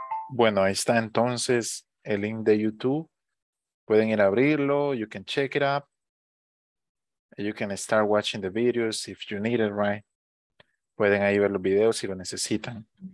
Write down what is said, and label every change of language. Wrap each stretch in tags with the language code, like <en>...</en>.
<es>Bueno, ahí está entonces el link de YouTube. Pueden ir a abrirlo.</es> <en>You can check it up. You can start watching the videos if you need it, right?</en> <es>Pueden ahí ver los videos si lo necesitan.</es>